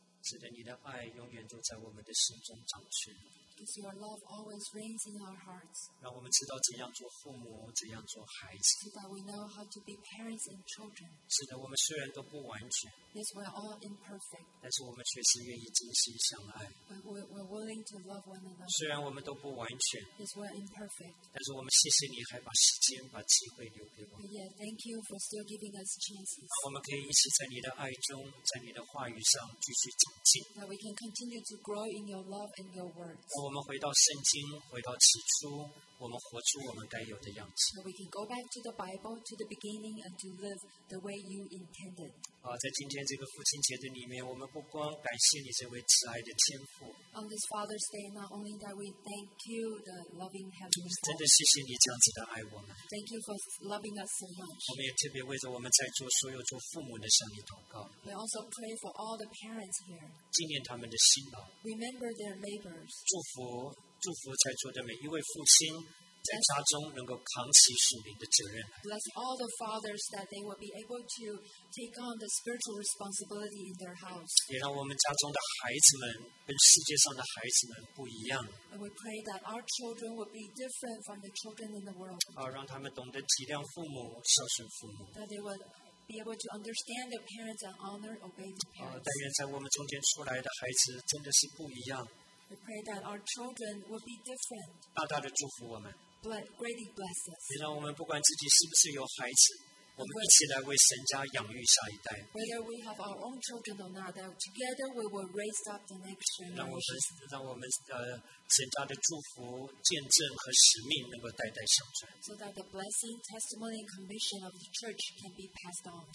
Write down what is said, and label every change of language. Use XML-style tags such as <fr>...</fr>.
<zh>使得你的爱永远都在我们的心中掌权。</zh> <en>Because your love always reigns in our hearts.</en> <zh>让我们知道怎样做父母，怎样做孩子。</zh> <en>So that we know how to be parents and children.</en> <zh>使得我们虽然都不完全。</zh> <en>Yes, we are all imperfect.</en> <zh>但是我们却是愿意真心相爱。</zh> <en>We're willing to love one another.</en> <zh>虽然我们都不完全。</zh> <en>Yes, we are imperfect.</en> <zh>但是我们谢谢你还把时间、把机会留给我们。</zh> <en>Yeah, thank you for still giving us chances.</en> <zh>让我们可以一起在你的爱中，在你的话语上继续长进。</zh> <en>That we can continue to grow in your love and your words.</en> <zh>我们回到圣经，回到起初，我们活出我们该有的样子。</zh> <en>So we can go back to the Bible, to the beginning, and to live the way you intended.</en> <zh>在今天这个父亲节的里面，我们不光感谢你这位慈爱的天父。</zh> <en>On this Father's Day, not only that we thank you, the loving Heavenly Father.</en> <zh>真的谢谢你这样子的爱我们。</zh> <en>Thank you for loving us so much.</en> <zh>我们也特别为着我们在座所有做父母的向你祷告。</zh> <en>We also pray for all the parents here.</en> <zh>纪念他们的辛劳。</zh> <en>Remember their labors.</en> <zh>祝福在座的每一位父亲在家中能够扛起属灵的责任。</zh> <en>Bless all the fathers that they will be able to take on the spiritual responsibility in their house.</en> <zh>也让我们家中的孩子们跟世界上的孩子们不一样。</zh> <en>And we pray that our children will be different from the children in the world.</en> <zh>让他们懂得体谅父母，孝顺父母。</zh> <en>That they will be able to understand their parents and honor obey their parents.</en> <zh>但愿在我们中间出来的孩子真的是不一样。</zh> <en>We pray that our children will be different.</en> <zh>大大的祝福我们。</zh> <en>But greatly bless us.</en> <zh>让我们不管自己是不是有孩子，我们一起来为神家养育下一代。</zh> <en>Whether we have our own children or not, that together we will raise up the next generation.</en> <zh>让我们神家的祝福、见证和使命能够代代相传。</zh> <en>So that the blessing, testimony, and commission of the church can be passed on.</en>